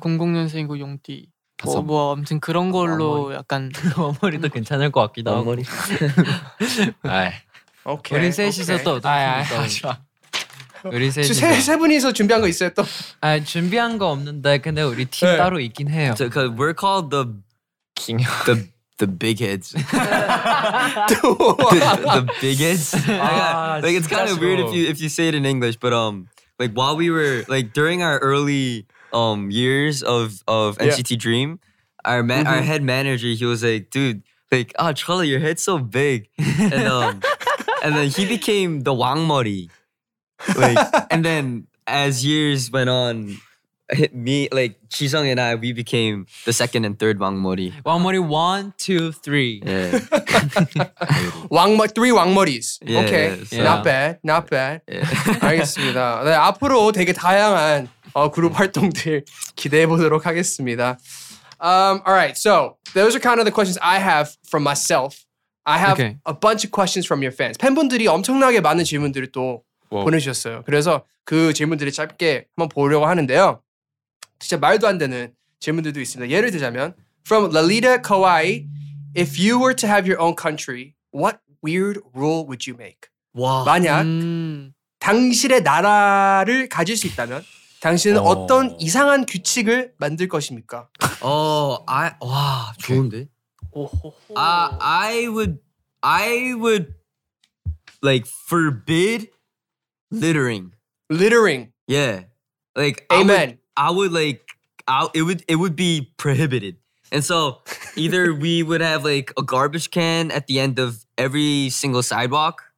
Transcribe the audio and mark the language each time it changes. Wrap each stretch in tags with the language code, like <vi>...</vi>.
<ko>00년생이고 용띠. 뭐 아무튼 그런 걸로 어머리. 약간 어머리도 괜찮을 것 같기도 하고. 어머리. 오케이. 우리 셋이서 또 어떻게 또. 우리 세 분이서 준비한 거 있어요 또? 아 준비한 거 없는데 근데 우리 팀 네. 따로 있긴 해요.</ko> <en>저, 그, we're called the</en> <ko>김형</ko> <en>the big heads. the big heads. 아, like it's kind of weird if you say it in English, but like while we were like during our early years of NCT yeah. Dream, our man mm-hmm. our head manager he was like, dude, like ah, Chola, your head's so big, and and then he became the 왕머리. like and then as years went on, me like Jisung and I we became the second and third 왕머리. 왕머리 one, two, three. Yeah. 왕머리 three 왕머리s. Yeah, okay, yeah, so. Not bad, not bad. Yeah.</en> <ko>알겠습니다. 네, 앞으로 되게 다양한 그룹 활동들 기대해 보도록 하겠습니다.</ko> <en>All right, so those are kind of the questions I have from myself. I have okay. a bunch of questions from your fans.</en> <ko>팬분들이 엄청나게 많은 질문들을 또 Whoa. 보내주셨어요. 그래서 그 질문들을 짧게 한번 보려고 하는데요. 진짜 말도 안 되는 질문들도 있습니다. 예를 들자면</ko> <en>From Lalita Kawaii If you were to have your own country, what weird rule would you make? Wow.</en> <ko>만약 당신의 나라를 가질 수 있다면 당신은 oh. 어떤 이상한 규칙을 만들 것입니까? 어, 와, 좋은데?</ko> <en>I would like forbid littering yeah like amen it would be prohibited and so either we would have like a garbage can at the end of every single sidewalk</en>